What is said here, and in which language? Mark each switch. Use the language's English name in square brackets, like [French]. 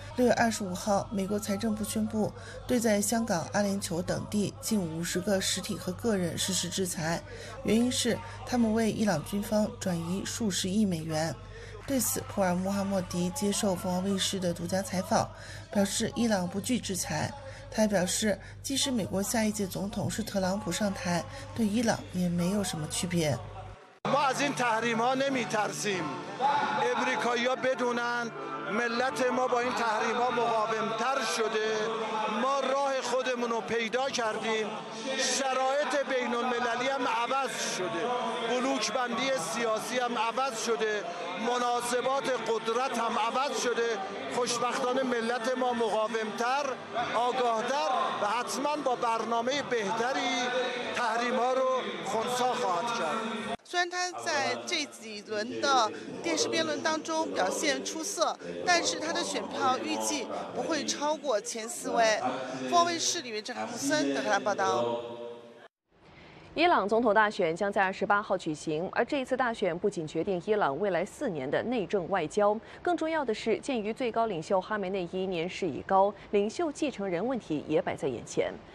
[Chinese] 6月25号，美国财政部宣布对在香港、阿联酋等地近50个实体和个人实施制裁，原因是他们为伊朗军方转移数十亿美元。对此，普尔穆哈莫迪接受凤凰卫视的独家采访，表示伊朗不惧制裁。他还表示，即使美国下一届总统是特朗普上台，对伊朗也没有什么区别。 [Persian] ما از این تحریم ها نمی ترسیم امریکایی ها بدونن ملت ما با این تحریم ها مقاوم تر شده ما راه خودمونو پیدا کردیم شرایط بین المللی هم عوض شده بلوک بندی سیاسی هم عوض شده مناسبات قدرت هم عوض شده خوشبختانه ملت ما مقاوم تر آگاه تر و حتما با برنامه بهتری تحریم ها رو خونسا خواهد کرد [Chinese] 虽然他在这几轮的电视辩论当中表现出色，但是他的选票预计不会超过前四位。凤凰卫视李维正、海木森德黑兰报道。伊朗总统大选将在28号举行，而这一次大选不仅决定伊朗未来4年的内政外交，更重要的是，鉴于最高领袖哈梅内伊年事已高，领袖继承人问题也摆在眼前。